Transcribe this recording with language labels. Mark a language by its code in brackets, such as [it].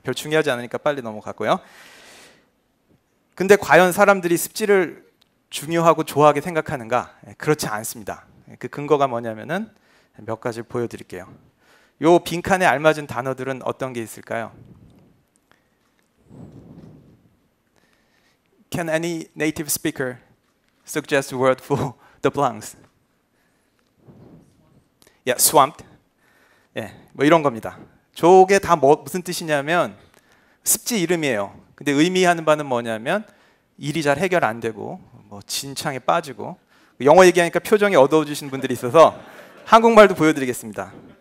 [ko] 별 중요하지 않으니까 빨리 넘어갔고요. 근데 과연 사람들이 습지를 중요하고 좋아하게 생각하는가? 그렇지 않습니다. 그 근거가 뭐냐면은 몇 가지 보여드릴게요. 요 빈칸에 알맞은 단어들은 어떤 게 있을까요? [en] Can any native speaker suggest a word for the blanks? Yeah, swamped. [ko] 예, 뭐 이런 겁니다. 저게 다 뭐, 무슨 뜻이냐면 습지 이름이에요. 근데 의미하는 바는 뭐냐면 일이 잘 해결 안 되고 뭐 진창에 빠지고 영어 얘기하니까 표정이 어두워지신 분들이 있어서 한국말도 보여드리겠습니다.